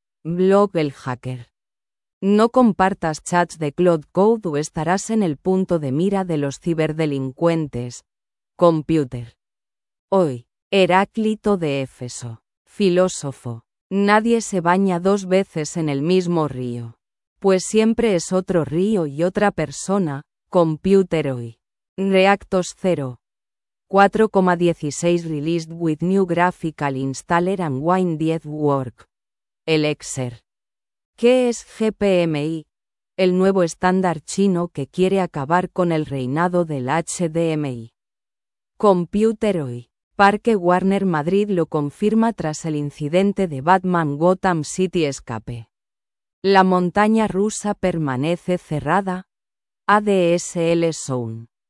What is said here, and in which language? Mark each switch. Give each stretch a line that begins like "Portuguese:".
Spanish: Blog el hacker. No compartas chats de Cloud Code o estarás en el punto de mira de los ciberdelincuentes. Computer. Hoy. Heráclito de Éfeso. Filósofo. Nadie se baña dos veces en el mismo río. Pues siempre es otro río y otra persona, computer hoy.
English: Reactos 0. 4.16 released with new graphical installer and Wine 10 work.
Spanish: Elixir. ¿Qué es GPMI? El nuevo estándar chino que quiere acabar con el reinado del HDMI. Computer hoy. Parque Warner Madrid lo confirma tras el incidente de Batman Gotham City escape. La montaña rusa permanece cerrada. ADSL Zone.